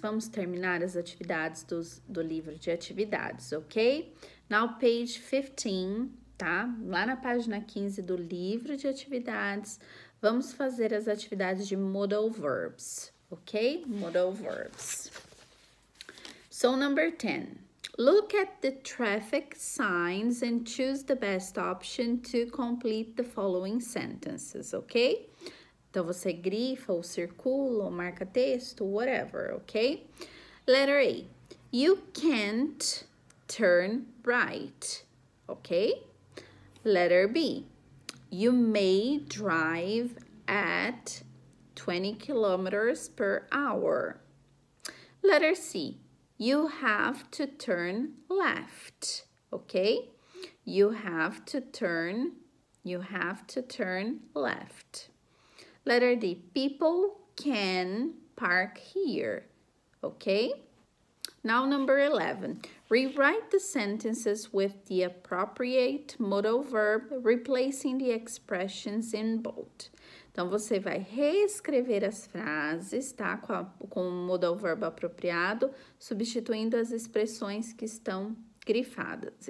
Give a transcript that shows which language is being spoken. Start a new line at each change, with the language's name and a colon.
Portuguese: Vamos terminar as atividades do livro de atividades, ok?
English: Now page 15,
Portuguese: tá? Lá na página 15 do livro de atividades, vamos fazer as atividades de modal verbs, ok?
English: Modal verbs. So, number 10. Look at the traffic signs and choose the best option to complete the following sentences, ok?
Portuguese: Então, você grifa ou circula ou marca texto, whatever, ok?
English: Letter A. You can't turn right, ok? Letter B. You may drive at 20 kilometers per hour. Letter C. You have to turn left, okay? You have to turn left. Letter D. People can park here, okay? Now number 11. Rewrite the sentences with the appropriate modal verb, replacing the expressions in bold.
Portuguese: Então, você vai reescrever as frases, tá? Com o modal verbo apropriado, substituindo as expressões que estão grifadas.